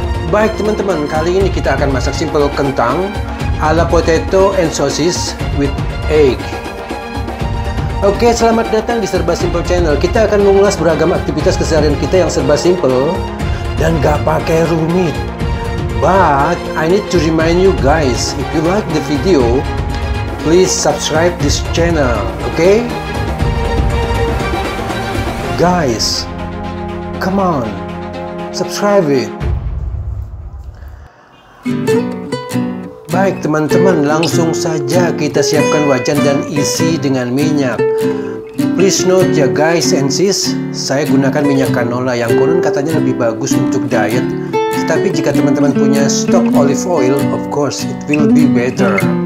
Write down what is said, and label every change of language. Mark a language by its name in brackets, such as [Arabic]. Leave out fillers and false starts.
[Indonesian] Baik teman-teman, kali ini kita akan masak simple kentang ala [English] potato and sausage with egg. [Indonesian] Oke, selamat datang di Serba Simple Channel. Kita akan mengulas beragam aktivitas keseharian kita yang serba simple dan gak pakai rumit. [English] But I need to remind you guys, if you like the video, please subscribe this channel, okay? Guys, come on, subscribe it. [Indonesian] Baik teman-teman, langsung saja kita siapkan wajan dan isi dengan minyak. [English] Please note [Indonesian] ya guys and sis, saya gunakan minyak canola yang konon katanya lebih bagus untuk diet. Tetapi jika teman-teman punya stok olive oil, [English] of course it will be better.